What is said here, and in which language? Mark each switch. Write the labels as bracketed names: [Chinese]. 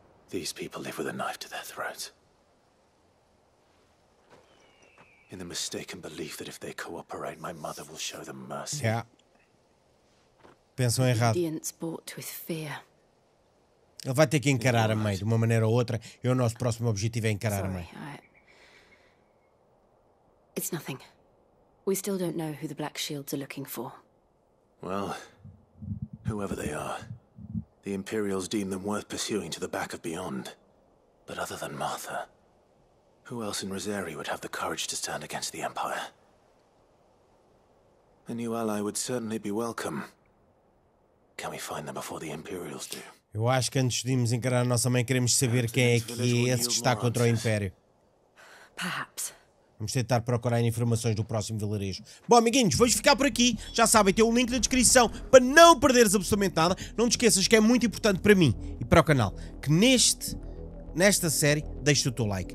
[English] These people live with a knife to their throats. In the mistaken belief that if they cooperate, my mother will show them mercy. [Portuguese] Yeah. Pensam errado. [English] Obedience bought with fear. [Portuguese] Ele vai ter que encarar a mãe de uma maneira ou outra. E o nosso próximo objetivo é encarar a mãe. [English] It's nothing. We still don't know who the Black Shields are looking for. Well, whoever they are, the Imperials deem them worth pursuing to the back of beyond. But other than Martha, who else in Rosari would have the courage to stand against the Empire? A new ally would certainly be welcome. Can we find them before the Imperials do? [Portuguese] Eu acho que antes de irmos encarar a nossa mãe, queremos saber quem é que é esse que está contra o Império. [English] Perhaps. [Portuguese] Vamos tentar procurar informações do próximo vilarejo. Bom, amiguinhos, vou ficar por aqui. Já sabem, tem um link na descrição para não perderes absolutamente nada. Não te esqueças que é muito importante para mim e para o canal que nesta série deixes o teu like.